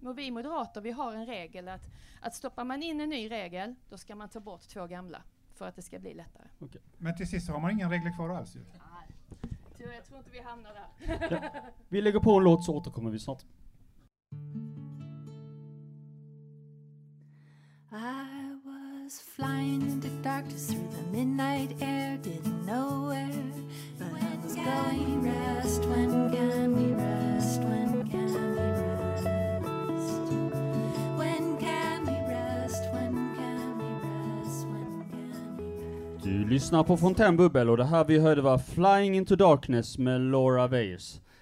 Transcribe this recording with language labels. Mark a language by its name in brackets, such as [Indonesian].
[Swedish] Och vi moderater, vi har en regel att stoppar man in en ny regel, då ska man ta bort två gamla. För att det ska bli lättare. Okay. Men till sist har man inga regler kvar alls ju. Jag tror inte vi hamnar där. Vi lägger på en låt så återkommer vi snart. [English] I was flying in the darkness through the midnight air, didn't know where, but when I was going. Rest, when can we rest, when can we rest? [Swedish] Du lyssnar på Fontänbubbel och det här vi hörde var Flying into Darkness med Laura Veirs.